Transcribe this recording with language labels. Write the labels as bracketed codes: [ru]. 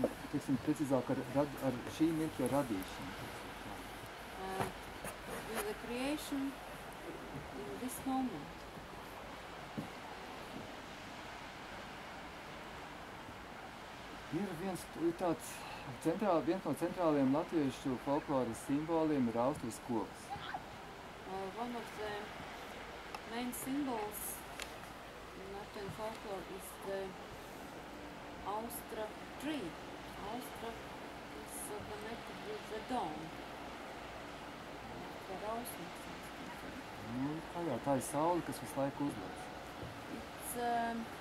[lv] Tiksim, precīzāk ar šī mirkļa radīšanu. [en] With the creation in this moment. [lv] ir viens tāds centrāli, viens no centrāliem latviešu folkloras simboliem ir Austras kops. [en] One of the main symbols in Latvian folklore is the Austra tree. Austra is connected with the dawn. The Austra. [lv] Nu, tā jā, tā ir saule, kas visu laiku uzlaiž.